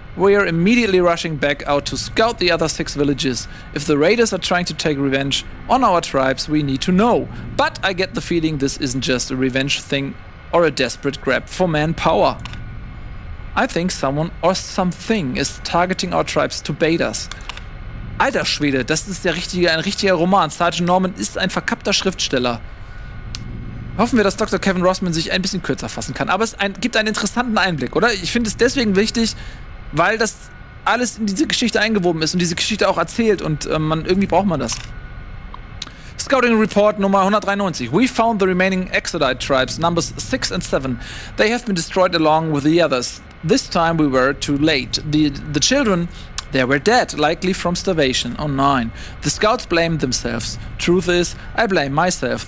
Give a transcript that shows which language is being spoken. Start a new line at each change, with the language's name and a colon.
English: We are immediately rushing back out to scout the other six villages. If the raiders are trying to take revenge on our tribes, we need to know. But I get the feeling this isn't just a revenge thing or a desperate grab for manpower. I think someone or something is targeting our tribes to bait us.
German: Alter Schwede, das ist der richtige, ein richtiger Roman. Sergeant Norman ist ein verkappter Schriftsteller. Hoffen wir, dass Dr. Kevin Rossman sich ein bisschen kürzer fassen kann. Aber es gibt einen interessanten Einblick, oder? Ich finde es deswegen wichtig, weil das alles in diese Geschichte eingewoben ist und diese Geschichte auch erzählt. Und man irgendwie braucht man das. Scouting Report Nummer 193.
English: We found the remaining Exodite Tribes, numbers 6 and 7. They have been destroyed along with the others. This time we were too late. The children, they were dead, likely from starvation.
German: Oh nein.
English: The scouts blame themselves. Truth is, I blame myself.